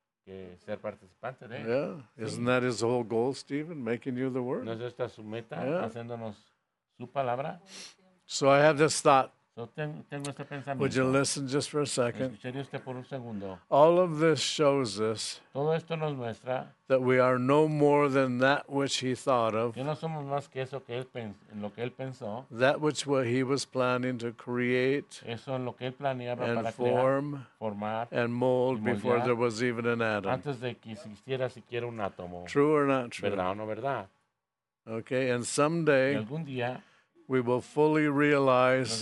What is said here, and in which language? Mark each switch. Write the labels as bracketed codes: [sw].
[en] Yeah, isn't that his whole goal, Stephen, making you the word? Yeah. So I have this thought. [es] Tengo este pensamiento. [en] Would you listen just for a second? [es] ¿Escucharía usted por un segundo? [en] All of this shows us [es] todo esto nos muestra [en] that we are no more than that which he thought of, [es] que no somos más que eso que él en lo que él pensó, [en] that which what he was planning to create [es] eso en lo que él planeaba [en] and [es] para [en] form [es] crear, formar, [en] and mold before there was even an atom. [es] Antes de que existiera siquiera un átomo. [en] True or not true? [es] ¿Verdad o no verdad? [en] Okay, and someday, [es] y algún día, [en] we will fully realize